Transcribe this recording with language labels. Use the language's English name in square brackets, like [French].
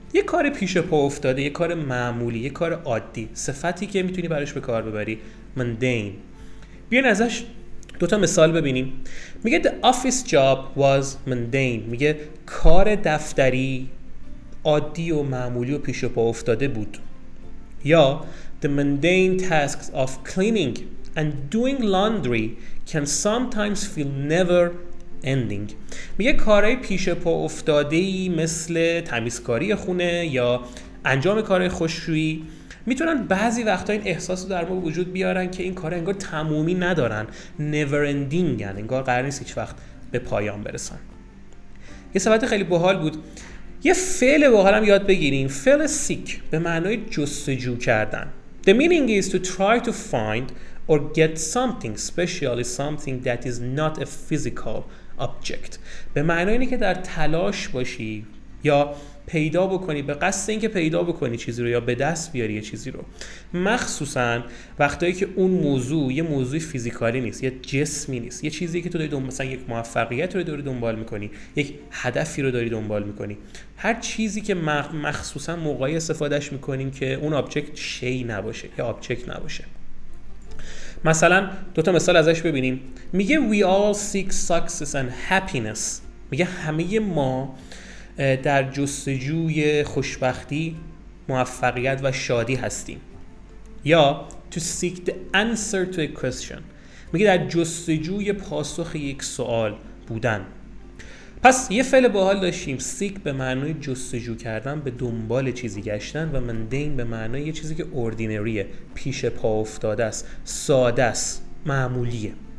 [Persian] یه کار پیش پا افتاده، یه کار معمولی، یه کار عادی، صفتی که میتونی براش به کار ببری mundane. بیاین ازش دوتا مثال ببینیم. [English] میگه the office job was mundane. [Persian] میگه کار دفتری عادی و معمولی و پیش پا افتاده بود. [English] یا the mundane tasks of cleaning and doing laundry can sometimes feel never ending. [Persian] میگه کارهای پیش پا افتاده‌ای مثل تمیزکاری خونه یا انجام کارهای خوشویی میتونن بعضی وقتا این احساس رو در ما وجود بیارن که این کار انگار تمومی ندارن، [English] never ending، [Persian] یعنی انگار قرار نیست هیچ وقت به پایان برسن. یه صفت خیلی باحال بود. یه فعل باحال هم یاد بگیریم. فعل seek به معنای جستجو کردن. [English] The meaning is to try to find or get something, especially something that is not a physical object. [Persian] به معنای اینه که در تلاش باشی یا پیدا بکنی، به قصد اینکه پیدا بکنی چیزی رو یا به دست بیاری یه چیزی رو. مخصوصا وقتایی که اون موضوع یه موضوع فیزیکالی نیست، یه جسمی نیست، یه چیزی که تو داری مثلا یک موفقیت رو داری دنبال میکنی، یک هدفی رو داری دنبال میکنی، هر چیزی که مخصوصا موقعی استفادهش میکنیم که اون آبجکت شی نباشه، یه آبجکت نباشه. مثلا دوتا مثال ازش ببینیم. [English] میگه we all seek success and happiness. [Persian] میگه همه ما در جستجوی خوشبختی، موفقیت و شادی هستیم. [English] یا to seek the answer to a question. [Persian] میگه در جستجوی پاسخ یک سوال بودن. پس یه فعل باحال داشتیم. seek به معنای جستجو کردن، به دنبال چیزی گشتن، و mundane به معنای یه چیزی که اوردینریه، پیش پا افتاده است، ساده است، معمولیه.